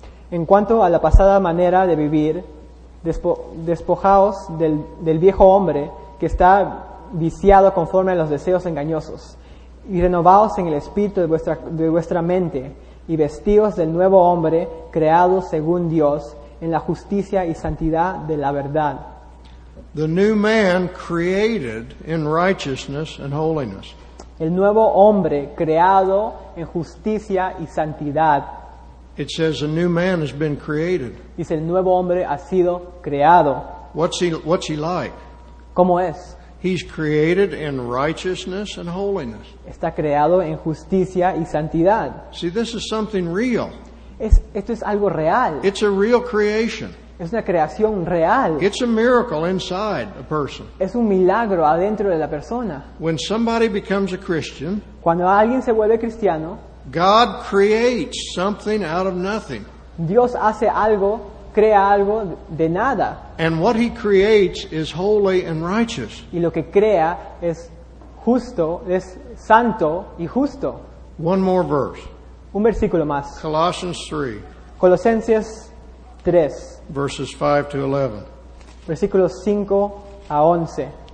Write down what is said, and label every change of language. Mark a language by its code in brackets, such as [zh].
[es] En cuanto a la pasada manera de vivir, despojaos del viejo hombre que está viciado conforme a los deseos engañosos, y renovaos en el espíritu de vuestra mente, y vestíos del nuevo hombre creado según Dios, en la justicia y santidad de la verdad. [en] The new man created in righteousness and holiness. [es] El nuevo hombre creado en justicia y santidad. [en] It says a new man has been created. [es] Dice el nuevo hombre ha sido creado. [en] What's he like? [es] ¿Cómo es? [en] He's created in righteousness and holiness. [es] Está creado en justicia y santidad. [en] See, this is something real. [es] Esto es algo real. [en] It's a real creation. [es] Es una creación real. [en] It's a miracle inside a person. [es] Es un milagro adentro de la persona. [en] When somebody becomes a Christian, [es] cuando alguien se vuelve cristiano, [en] God creates something out of nothing. [es] Dios hace algo, crea algo de nada. [en] And what he creates is holy and righteous. [es] Y lo que crea es justo, es santo y justo. [en] One more verse. [es] Un versículo más. [en] Colossians 3. [es] Colosenses 3. [en] Verses 5 to 11. [es] Versículos 5 a 11.